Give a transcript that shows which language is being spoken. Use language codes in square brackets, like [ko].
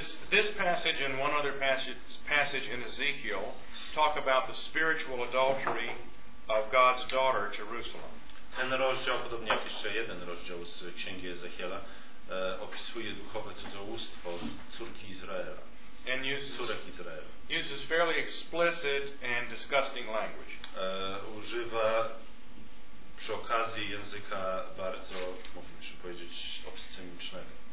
[en] This passage and one other passage in Ezekiel talk about the spiritual adultery of God's daughter Jerusalem. [pl] Ten rozdział, podobnie jak jeszcze jeden rozdział z Księgi Ezechiela, opisuje duchowe cudzołóstwo córki Izraela. [en] And uses fairly explicit and disgusting language. [pl] Używa przy okazji języka bardzo, moglibyśmy powiedzieć, obscenicznego.